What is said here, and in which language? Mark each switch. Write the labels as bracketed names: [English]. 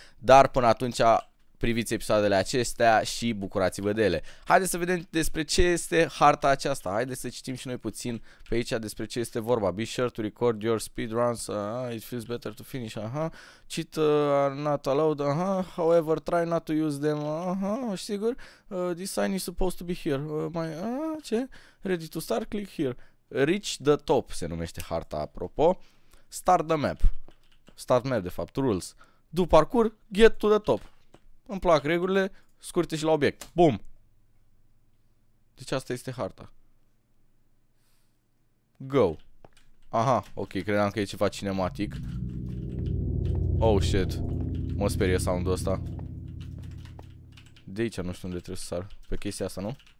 [Romanian] Dar până atunci, priviți episoadele acestea și bucurați-vă de ele. Haideți să vedem despre ce este harta aceasta. Haideți să citim și noi puțin pe aici despre ce este vorba. [English] Be sure to record your speedruns. It feels better to finish. Cheat are not allowed. However, try not to use them. [Romanian] Sigur? [English] This sign is supposed to be here. [Romanian] Ce? [English] Ready to start? Click here. Reach the top [Romanian] se numește harta, apropo. [English] Start the map. Start map, [Romanian] de fapt, [English] rules. Do parkour, get to the top. [Romanian] Îmi plac regulile, scurte și la obiect. Boom. Deci asta este harta. Go. Aha, ok, credeam că e ceva cinematic. [English] Oh, shit. [Romanian] Mă sperie sound-ul ăsta. De aici nu știu unde trebuie să sar. Pe chestia asta, nu?